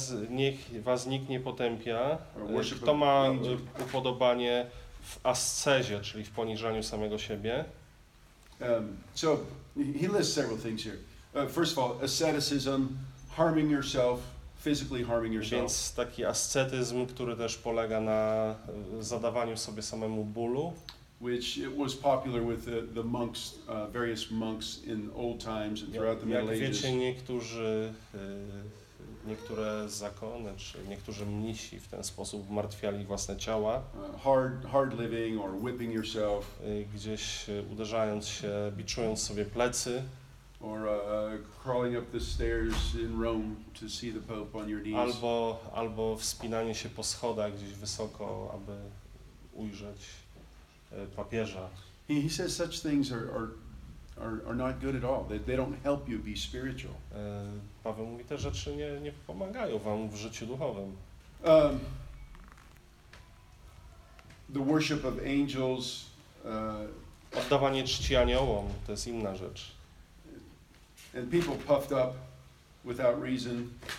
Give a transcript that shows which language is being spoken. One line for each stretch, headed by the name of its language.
Polish: Niech was nikt nie potępia, kto ma upodobanie w ascezie, czyli w poniżaniu samego siebie.
English: So he lists several things here. First of all, asceticism, harming yourself, physically harming yourself.
Polish: Więc taki ascetyzm, który też polega na zadawaniu sobie samemu bólu.
English: Which it was popular with the monks, various monks in old times and throughout the Middle Ages.
Polish: Jak wiecie, niektóre zakony, czy niektórzy mnisi w ten sposób martwiali własne ciała.
English: Hard living or whipping yourself.
Polish: Gdzieś uderzając się, biczując sobie plecy.
English: Or crawling up the stairs in Rome to see the Pope on your knees.
Polish: Albo wspinanie się po schodach gdzieś wysoko, aby ujrzeć papieża.
English: He says such things are not good at all. They don't help you be spiritual.
Polish: Paweł mówi, te rzeczy nie pomagają wam w życiu duchowym.
English: The worship of angels.
Polish: Oddawanie czci aniołom, to jest inna rzecz.
English: And people puffed up without reason.